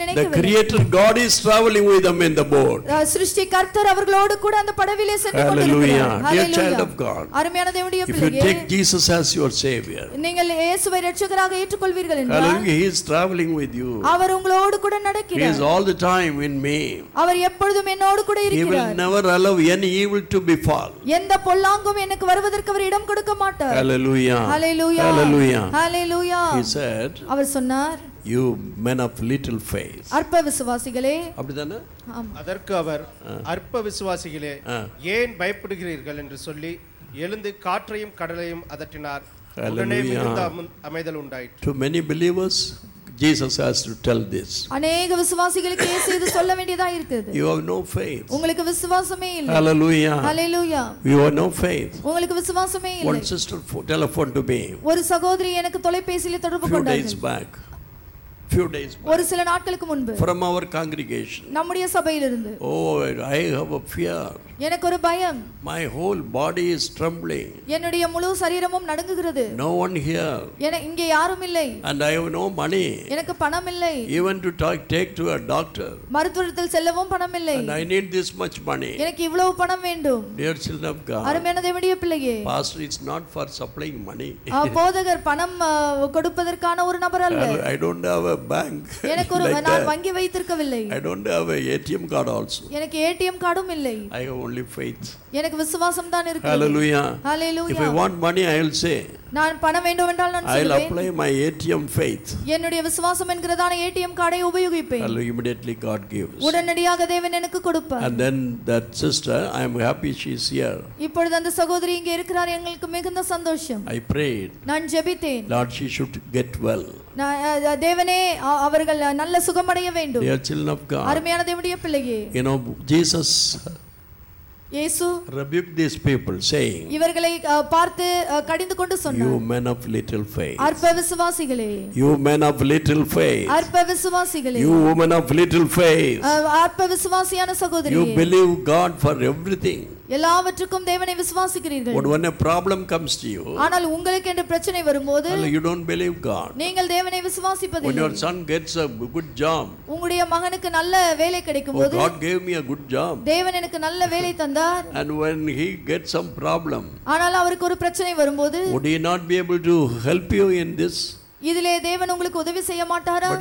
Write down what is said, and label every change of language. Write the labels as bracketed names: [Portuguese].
[Tamil] நினைக்கவில்லை. [English] The creator God is traveling with them in the boat. [Tamil] சிருஷ்டி கர்த்தர் அவர்களோடு கூட அந்த படகிலே சென்று கொண்டிருக்கிறார். [English] Hallelujah. Dear child of God. [Tamil] அருமையான தேவனுடைய பிள்ளையே. [English] If you take Jesus as your savior. [Tamil] நீங்கள் இயேசுவை இரட்சகராக ஏற்றுக்கொள்வீர்கள் என்றால். [English] Hallelujah. He is traveling with you. [Tamil] அவர் உங்களோடு கூட நடக்கிறார். [English] He is all the time in me. [Tamil] அவர் எப்பொழுதும் என்னோடு கூட இருக்கிறார். [English] He will never allow any evil to befall. [Tamil] எந்த பொல்லாங்கும் எனக்கு வருவதற்கு அவர் இடம் கொடுக்க மாட்டார். [English] Hallelujah. Hallelujah. Hallelujah. Hallelujah. He said. [Tamil] அவர் சொன்னார். [English] You men of little faith. [Tamil] அற்ப விசுவாசிகளே. அப்படிதான? ஆமா. அதற்கு அவர் அற்ப விசுவாசிகளே ஏன் பயப்படுகிறீர்கள் என்று சொல்லி எழுந்து காற்றையும் கடலையும் அதட்டினார். உடனே மிகுந்த அமைதல் உண்டாயிற்று. [English] To many believers Jesus has to tell this. [Tamil] அநேக விசுவாசிகளுக்கு இயேசு இது சொல்ல வேண்டியதா இருக்குது. [English] You have no faith. [Tamil] உங்களுக்கு விசுவாசமே இல்லை. [English] Hallelujah. Hallelujah. You have no faith. [Tamil] உங்களுக்கு விசுவாசமே இல்லை. [English] One sister telephoned to me. [Tamil] ஒரு சகோதரி எனக்கு தொலைபேசியில் தொடர்பு கொண்டார். [English] Few days back. [Tamil] ஒரு சில நாட்களுக்கு முன்பு. [English] From our congregation. [Tamil] நம்முடைய சபையிலிருந்து. [English] Oh, I have a fear. [Tamil] எனக்கு ஒரு பயம். [English] My whole body is trembling. [Tamil] என்னுடைய முழு சரீரமும் நடுங்குகிறது. [English] No one here. [Tamil] என்ன இங்கே யாரும் இல்லை. [English] And I have no money. [Tamil] எனக்கு பணம் இல்லை. [English] Even to take to a doctor. [Tamil] மருத்துவரிடத்தில் செல்லவும் பணம் இல்லை. [English] And I need this much money. [Tamil] எனக்கு இவ்வளவு பணம் வேண்டும். [English] Dear children of God. [Tamil] அருமையான தேவனுடைய பிள்ளையே. [English] Pastor, it's not for supplying money. [Tamil] போதகர் பணம் கொடுப்பதற்கான ஒரு நபர் அல்ல. [English] I don't have a bank. [Tamil] எனக்கு ஒரு நான் வங்கி வைத்திருக்கவில்லை. [English] I don't have an ATM card also. [Tamil] எனக்கு ATM கார்டும் இல்லை. [English] I have only faith. [Tamil] எனக்கு விசுவாசம் தான் இருக்கு. [English] Hallelujah. Hallelujah. If I want money I will say [Tamil] நான் பணம் வேண்டும் என்றால் நான் சொல்வேன் [English] I'll apply my ATM faith [Tamil] என்னுடைய விசுவாசம் என்கிறதான ATM கார்டை உபயோகிப்பேன் [English] And immediately God gives [Tamil] உடனடியாக தேவன் எனக்கு கொடுப்பார் [English] And then that sister I am happy she is here [Tamil] இப்பொழுது அந்த சகோதரி இங்கே இருக்கிறார் எங்களுக்கு மிகுந்த சந்தோஷம் [English] I prayed [Tamil] நான் ஜெபித்தேன் [English] Lord she should get well [Tamil] தேவனே அவர்கள் நல்ல சுகமடைய வேண்டும் [English] Dear children of God [Tamil] அருமையான தேவனுடைய பிள்ளையே [English] You know Jesus [Tamil] Yesu [English] rebuked these people saying [Tamil] இவர்களை பார்த்து கடிந்து கொண்டு சொன்னார் [English] You men of little faith [Tamil] அற்ப விசுவாசிகளே [English] You men of little faith [Tamil] அற்ப விசுவாசிகளே [English] You women of little faith [Tamil] அற்ப விசுவாசியான சகோதரியே [English] You believe God for everything [Tamil] எல்லாவற்றுக்கும் தேவனை விசுவாசிக்கிறீர்கள் [English] But when a problem comes to you [Tamil] ஆனால் உங்களுக்கு என்ற பிரச்சனை வரும்போது [English] You don't believe God [Tamil] நீங்கள் தேவனை விசுவாசிப்பதில்லை [English] When your son gets a good job [Tamil] உங்களுடைய மகனுக்கு நல்ல வேலை கிடைக்கும்போது [English] God gave me a good job [Tamil] தேவன் எனக்கு நல்ல வேலை தந்தார் [English] And when he gets some problem [Tamil] ஆனால் அவருக்கு ஒரு பிரச்சனை வரும்போது [English] Would he not be able to help you in this [Tamil] இதிலே தேவன் உங்களுக்கு உதவி செய்ய மாட்டாரா